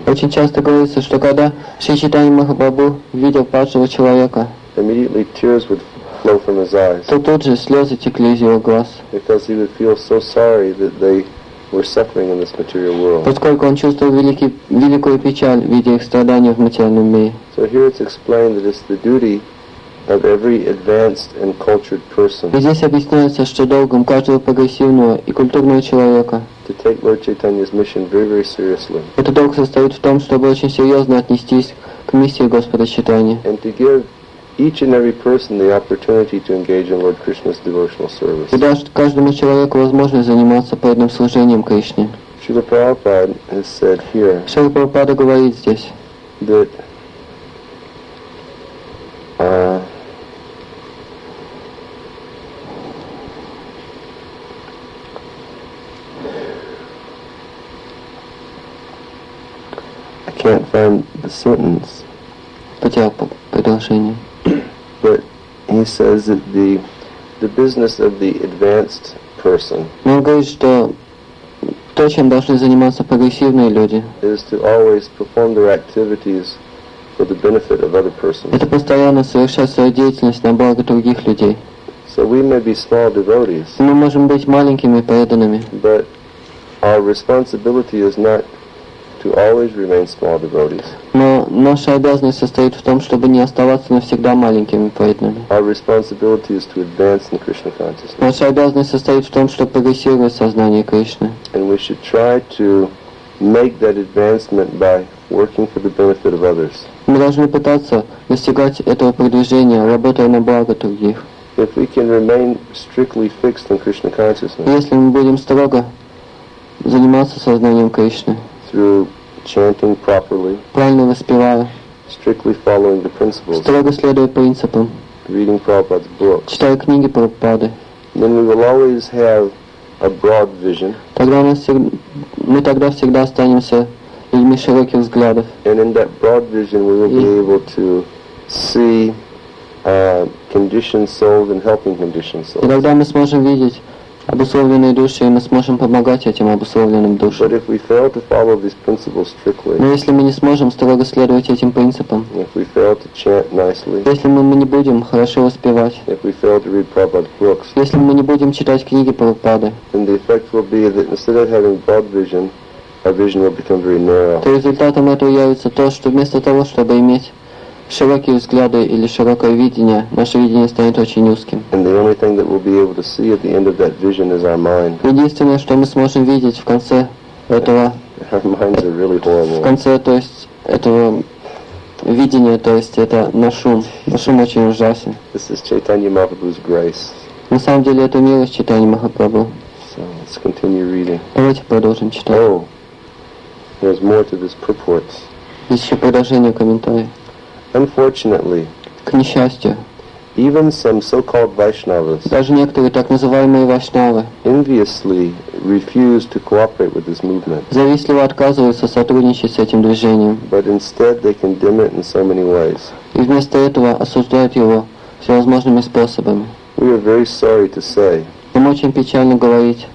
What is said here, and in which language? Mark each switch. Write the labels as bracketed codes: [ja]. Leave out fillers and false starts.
[ru] очень часто говорится, что когда Шри Чайтанья Махапрабху видел падшего человека, [en] immediately tears would flow from his eyes, [ru] то тут же слезы текли из его глаз, [en] because he would feel so sorry that they were suffering in this material world, [ru] поскольку он чувствовал великую печаль, видя их страдания в материальном мире. [en] So here it's explained that it's the duty of every advanced and cultured person. [ru] И здесь объясняется, что долгом каждого прогрессивного и культурного человека. [en] To take Lord Chaitanya's mission very, very seriously. [ru] Этот долг состоит в том, чтобы очень серьезно отнестись к миссии Господа Чайтаньи. [en] And to give each and every person the opportunity to engage in Lord Krishna's devotional service. [ru] И дать каждому человеку возможность заниматься преданным служением Кришне. [en] Srila Prabhupada has said here. [ru] Srila Prabhupada говорит здесь. [en] That I can't find the sentence. [ru] Потерял предложение. [en] But he says that the business of the advanced person. [ru] Но он говорит, что то, чем должны заниматься прогрессивные люди, [en] is to always perform their activities for the benefit of other persons. [ru] Это постоянно совершать свою деятельность на благо других людей. [en] So we may be small devotees. [ru] Мы можем быть маленькими преданными. [en] But our responsibility is not to always remain small devotees. [ru] Но наша обязанность состоит в том, чтобы не оставаться навсегда маленькими преданными. [en] Our responsibility is to advance in Krishna consciousness. [ru] Наша обязанность состоит в том, чтобы прогрессировать сознание Кришны. [en] And we should try to make that advancement by working for the benefit of others. [ru] Мы должны пытаться достигать этого продвижения, работая на благо других. [en] If we can remain strictly fixed in Krishna consciousness, [ru] если мы будем строго заниматься сознанием Кришны, [en] through chanting properly, [ru] правильно воспевая, [en] strictly following the principles, [ru] строго следуя принципам, [en] reading Prabhupada's books, [ru] читая книги Прабхупады, [en] then we will always have a broad vision. [ru] Мы тогда всегда останемся людьми широких взглядов. [en] And in that broad vision, we will be able to see conditioned souls and helping conditioned souls. [ru] И тогда мы сможем видеть обусловленные души, и мы сможем помогать этим обусловленным душам. [en] But if we fail to follow these principles strictly, [ru] но если мы не сможем строго следовать этим принципам, [en] if we fail to chant nicely, [ru] если мы не будем хорошо воспевать, [en] if we fail to read Prabhupada's books, [ru] если мы не будем читать книги Прабхупады, [en] then the effect will be that instead of having broad vision, our vision will become very narrow. [ru] То результатом этого явится то, что вместо того, чтобы иметь широкие взгляды или широкое видение, наше видение станет очень узким. [en] And the only thing that we'll be able to see at the end of that vision is our mind. [ru] Единственное, что мы сможем видеть в конце этого, [en] our minds are really horrible. [ru] В конце, то есть этого видения, то есть это наш ум. Наш ум очень ужасен. [en] This is Chaitanya Mahaprabhu's grace. [ru] На самом деле это милость Чайтаньи Махапрабху. [en] Let's continue reading. [ru] Давайте продолжим читать. [en] Oh, there's more to this purport. [ru] Еще продолжение комментария. [en] Unfortunately, [ru] к несчастью, [en] even some so-called Vaishnavas, [ru] даже некоторые так называемые вайшнавы, [en] enviously refuse to cooperate with this movement. [ru] Завистливо отказываются сотрудничать с этим движением. [en] But instead, they condemn it in so many ways. [ru] И вместо этого осуждают его всевозможными способами. [en] We are very sorry to say. [ru] Нам очень печально говорить,